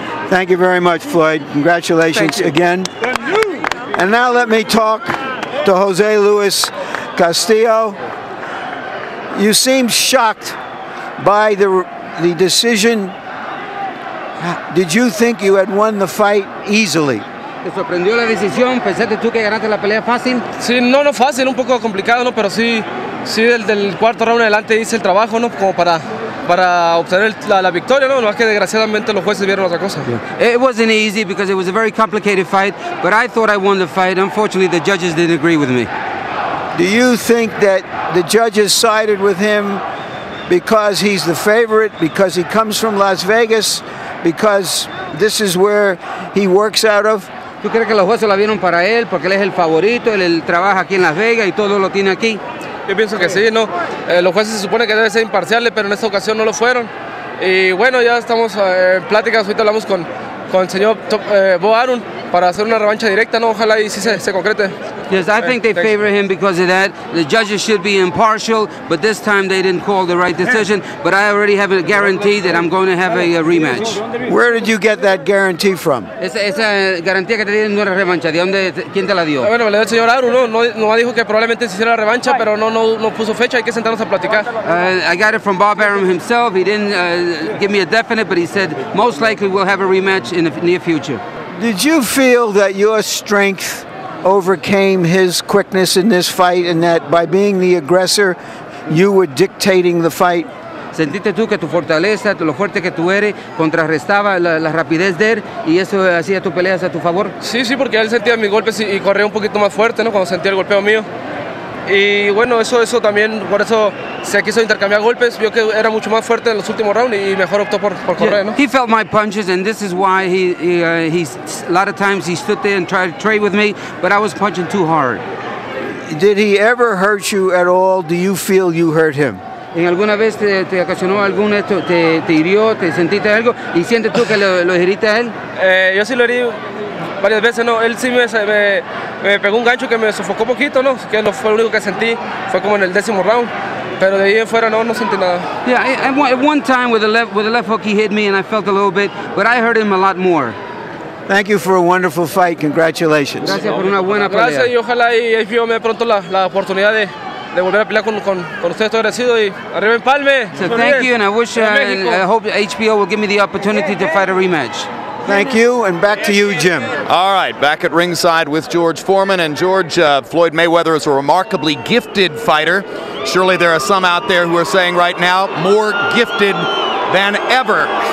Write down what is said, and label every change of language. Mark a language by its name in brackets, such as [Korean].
[English] Thank you very much, Floyd. Congratulations again. And now let me talk to Jose Luis Castillo. You seemed shocked by the decision. Did you think you had won the fight easily? [Spanish] ¿Te sorprendió la decisión? ¿Pensaste tú que ganaste la pelea fácil? Sí, no fácil, un poco complicado, ¿no? Pero sí del cuarto round adelante hice el trabajo, ¿no? Como para obtener la victoria, ¿no? No es que desgraciadamente los jueces vieron otra cosa. [English] Yeah. It wasn't easy because it was a very complicated fight, but I thought I won the fight. Unfortunately, the judges didn't agree with me. Do you think that the judges sided with him because he's the favorite, because he comes from Las Vegas, because this is where he works out of? [Spanish] ¿Tú crees que los jueces la vieron para él porque él es el favorito, él trabaja aquí en Las Vegas y todo lo tiene aquí? Yo pienso que sí, ¿no? Los jueces se supone que deben ser imparciales, pero en esta ocasión no lo fueron. Y bueno, ya estamos en pláticas, ahorita hablamos con el señor Bo Arum para hacer una revancha directa, ¿no? Ojalá y sí se concrete. [English] Yes, I think they favor him because of that. The judges should be impartial, but this time they didn't call the right decision. But I already have a guarantee that I'm going to have a rematch. Where did you get that guarantee from? [Spanish] Esa garantía que te dieron no era revancha. ¿De dónde? ¿Quién te la dio? Bueno, el señor Arum no dijo que probablemente se hiciera la revancha, pero no puso fecha. Hay que sentarnos a platicar. [English] I got it from Bob Arum himself. He didn't give me a definite, but he said most likely we'll have a rematch in the near future. Did you feel that your strength overcame his quickness in this fight, and that by being the aggressor, you were dictating the fight? [Spanish] Sentiste tú que tu fortaleza, lo fuerte que tú eres, contrarrestaba la rapidez de él, y eso hacía tu pelea a tu favor? Sí, porque él sentía mis golpes y corría un poquito más fuerte, ¿no? Cuando sentía el golpeo mío. Y bueno, eso también, por eso se quiso intercambiar golpes. Vio que era mucho más fuerte en los últimos rounds y mejor optó por correr, ¿no? [English] He felt my punches, and this is why a lot of times he stood there and tried to trade with me, but I was punching too hard. Did he ever hurt you at all? Do you feel you hurt him? [Spanish] ¿En alguna vez te ocasionó algún esto, te hirió, te sentiste algo, y sientes tú que lo heriste a él? Yo sí lo herí varias veces, ¿no? Él sí me pegó un gancho que me sofocó poquito, ¿no? Que no fue lo único que sentí, fue como en el décimo round. Pero de ahí en fuera no sentí nada. [English] Yeah, at one time with the left hook he hit me and I felt a little bit, but I hurt him a lot more. Thank you for a wonderful fight. Congratulations. [Spanish] Gracias por una buena pelea. Gracias y ojalá y HBO me dé pronto la oportunidad de volver a pelear con ustedes. Estoy agradecido y arriba empalme. [English] So thank you, and I wish and I hope HBO will give me the opportunity to fight a rematch. Thank you, and back to you, Jim. All right, back at ringside with George Foreman. And George, Floyd Mayweather is a remarkably gifted fighter. Surely there are some out there who are saying right now, more gifted than ever.